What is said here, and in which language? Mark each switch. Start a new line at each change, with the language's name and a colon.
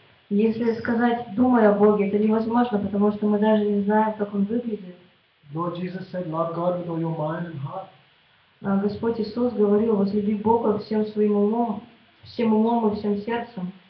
Russian: Если сказать, думай о Боге, это невозможно, потому что мы даже не знаем, как Он выглядит.
English: Lord Jesus said, love God with all your mind and heart.
Russian: Господь Иисус говорил, возлюби Бога всем своим умом, всем умом и всем сердцем.